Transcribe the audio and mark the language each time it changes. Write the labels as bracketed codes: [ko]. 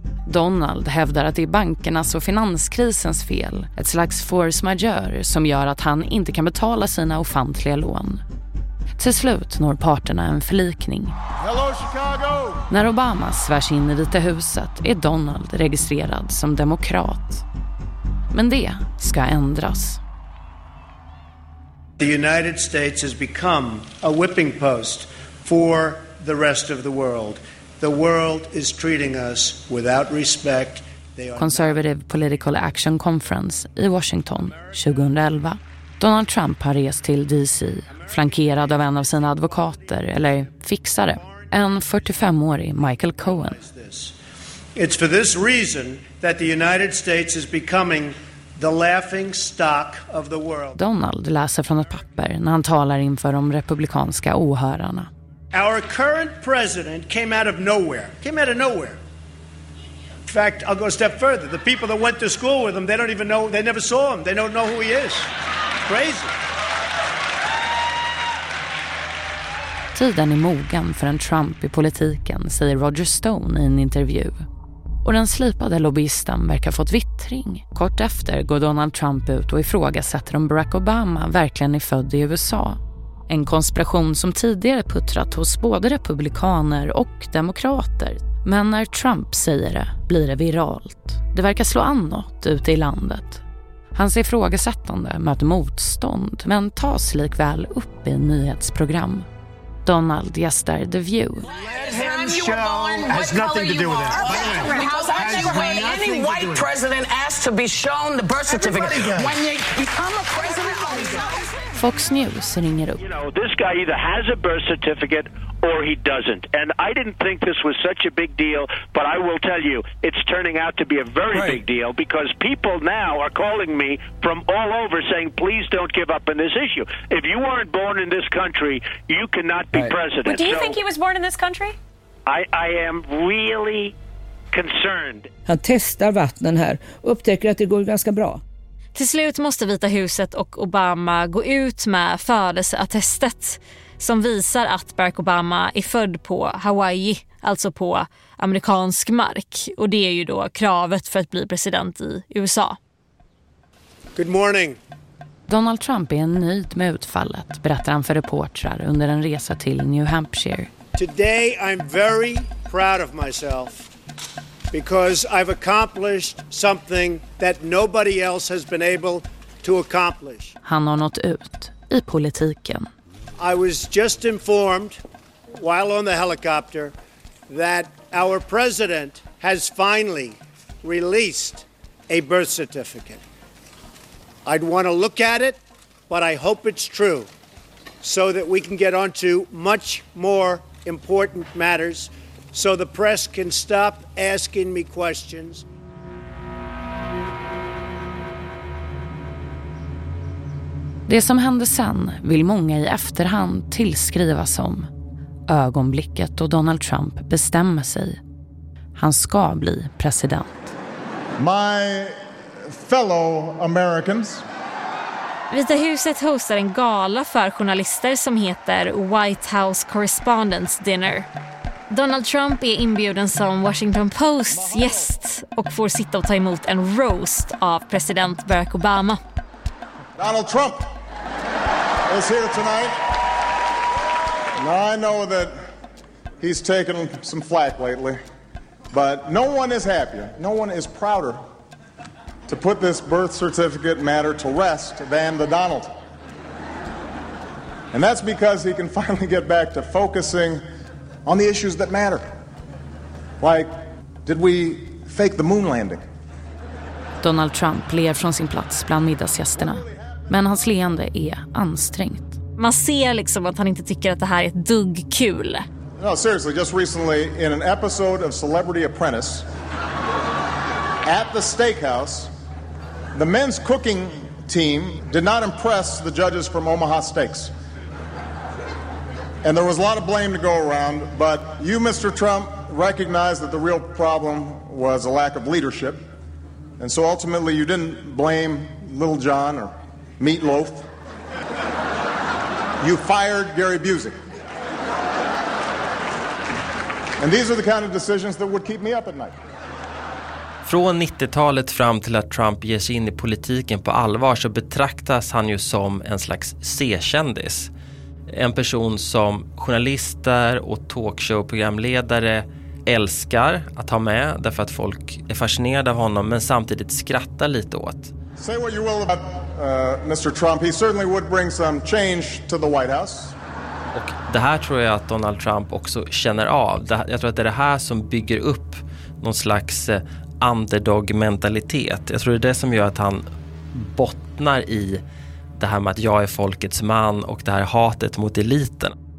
[sv] Donald hävdar att det är bankernas och finanskrisens fel, ett slags force majeure som gör att han inte kan betala sina ofantliga lån. Till slut når parterna en förlikning. [en] Hello, Chicago. [sv] När Obama svärs in i Vita huset är Donald registrerad som demokrat. Men det ska ändras. [en] The United States has become a whipping post for the rest of the world. The world is treating us without respect. [sv] Conservative Political Action Conference i Washington 2011. Donald Trump har rest till DC, flankerad av en av sina advokater, eller fixare, en 45-årig Michael Cohen. [en] It's for this reason that the United States is becoming the laughing stock of the world. [sv] Donald läser från ett papper när han talar inför de republikanska åhörarna. [en] Our current president came out of nowhere. Came out of nowhere. In fact, I'll go a step further. The people that went to school with him, they don't even know, they never saw him. They don't know who he is. Crazy. [sv] Tiden är mogen för en Trump i politiken, säger Roger Stone i en intervju. Och den slipade lobbyisten verkar fått vittring. Kort efter går Donald Trump ut och ifrågasätter om Barack Obama verkligen är född i USA. En konspiration som tidigare puttrat hos både republikaner och demokrater. Men när Trump säger det blir det viralt. Det verkar slå an något ute i landet. Hans ifrågasättande möter motstånd men tas likväl upp i nyhetsprogram. Donald gästar The View. [en] Let him show has nothing to do with it. Any white president asked to be shown the birth certificate. When you become a president, [sv] Fox News ringer upp. [en] You know, this guy either has a birth certificate or he doesn't. And I didn't think this was such a big deal, but I will tell you, it's turning out to be a very right. big deal because people now are calling me from all over saying, please don't give up on this issue. If you weren't born in this country, you cannot be right. president. But do you think he was born in this country? I am really concerned. [sv] Han testar vattnen här och upptäcker att det går ganska bra. Till slut måste Vita huset och Obama gå ut med födelseattestet som visar att Barack Obama är född på Hawaii, alltså på amerikansk mark. Och det är ju då kravet för att bli president i USA. [en] Good morning. [sv] Donald Trump är nöjd med utfallet, berättar han för reportrar under en resa till New Hampshire. [en] Today I'm very proud of myself because I've accomplished something that nobody else has been able to accomplish. [sv] Han har nått ut i politiken. [en] I was just informed while on the helicopter that our president has finally released a birth certificate. I'd want to look at it, but I hope it's true so that we can get on to much more important matters so the press can stop asking me questions. [sv] Det som hände sen vill många i efterhand tillskriva som ögonblicket då Donald Trump bestämmer sig. Han ska bli president. [en] My fellow Americans. [sv] Vita huset hostar en gala för journalister som heter White House Correspondents Dinner. Donald Trump är inbjuden som Washington Posts gäst och får sitta och ta emot en roast av president Barack Obama. [en] Donald Trump. Is here tonight. Now I know that he's taken some flack lately, but no one is happier, no one is prouder to put this birth certificate matter to rest than the Donald. And that's because he can finally get back to focusing on the issues that matter. Like, did we fake the moon landing? [sv] Donald Trump ler från sin plats bland middagsgästerna. Men hans leende är ansträngt. Man ser liksom att han inte tycker att det här är ett dugg kul. [en] No, seriously, just recently in an episode of Celebrity Apprentice at the steakhouse, the men's cooking team did not impress the judges from Omaha Steaks. And there was a lot of blame to go around, but you, Mr. Trump, recognized that the real problem was a lack of leadership. And so ultimately you didn't blame Little John or Meatloaf. You fired Gary Busey. And these are the kind of decisions that would keep me up at night. [sv] Från 90-talet fram till att Trump ger sig in i politiken på allvar så betraktas han ju som en slags C-kändis. En person som journalister och talkshowprogramledare älskar att ha med därför att folk är fascinerade av honom men samtidigt skrattar lite åt. [en] Say what you will about Mr. Trump, he certainly would bring some change to the White House. [sv] Och det här tror jag att Donald Trump också känner av. Jag tror att det är det här som bygger upp någon slags underdog-mentalitet. Jag tror det är det som gör att han bottnar i det här med att jag är folkets man och det här hatet mot eliten.